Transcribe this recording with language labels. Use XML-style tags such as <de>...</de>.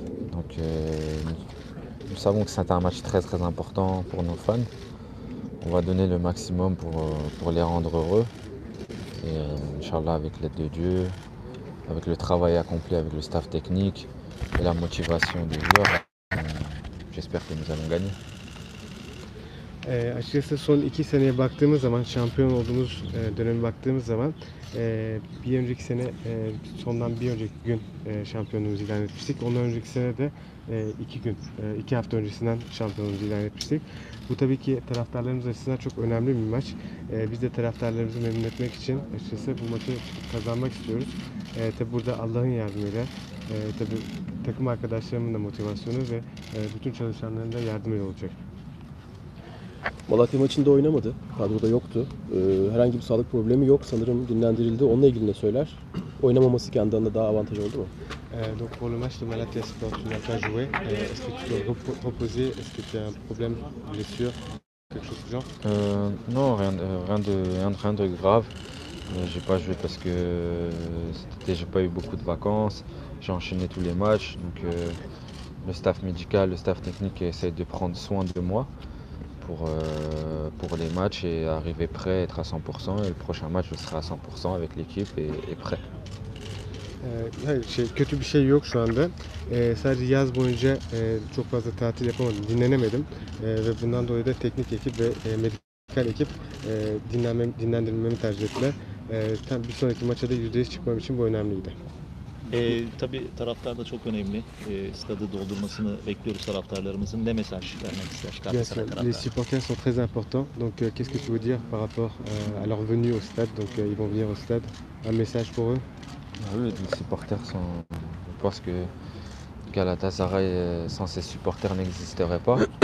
<fr>Donc nous savons que c'est un match très très important pour nos fans. On va donner le maximum pour les rendre heureux. Et Inch'Allah, avec l'aide de Dieu, avec le travail accompli avec le staff technique et la motivation des joueurs, j'espère que nous allons gagner.</fr> <tr>Açıkçası son 2 seneye baktığımız zaman, şampiyon olduğumuz döneme baktığımız zaman bir önceki sene sondan bir önceki gün şampiyonluğumuzu ilan etmiştik. Ondan önceki sene de 2 gün, 2 hafta öncesinden şampiyonluğumuzu ilan etmiştik. Bu tabii ki taraftarlarımız açısından çok önemli bir maç. Biz de taraftarlarımızı memnun etmek için açıkçası bu maçı kazanmak istiyoruz. Tabii burada Allah'ın yardımıyla, tabii takım arkadaşlarımın da motivasyonu ve bütün çalışanların da yardımıyla olacak. Malatya maçında oynamadı. Kadroda yoktu. Herhangi bir sağlık problemi yok. Sanırım dinlendirildi. Onunla ilgili ne söyler? Oynamaması kendi adına daha avantaj oldu mu?</tr> <fr>Donc pour le match de Malatya Spor, tu n'as pas joué. Est-ce que tu dois reposer? Est-ce que tu as un problème, blessure, quelque chose du genre? Non, rien de grave. J'ai pas joué parce que j'ai pas eu beaucoup de vacances. J'ai enchaîné tous les matchs. Donc le staff médical, le staff technique essaie de prendre soin de moi pour les matchs et arriver prêt, être à 100%. Et le prochain match, je serai à 100% avec l'équipe et prêt.</fr> <tr>Kötü bir şey yok şu anda. Sadece yaz boyunca çok fazla tatil yapamadım, dinlenemedim. Ve bundan dolayı da teknik ekip ve medikal ekip dinlendirmemi tercih ettiler. Tam bir sonraki maça da %100 çıkmam için bu önemliydi. Tabii taraftar da çok önemli. Stadı doldurmasını bekliyoruz taraftarlarımızın. Ne mesaj vermek ister</tr> <fr>Bien sûr, les supporters sont très importants. Donc, qu'est-ce que tu veux dire par rapport à leur venue au stade? Donc, ils vont venir au stade. Un message pour eux? Oui, les supporters sont. Je pense que Galatasaray, sans ses supporters, n'existerait pas.</fr>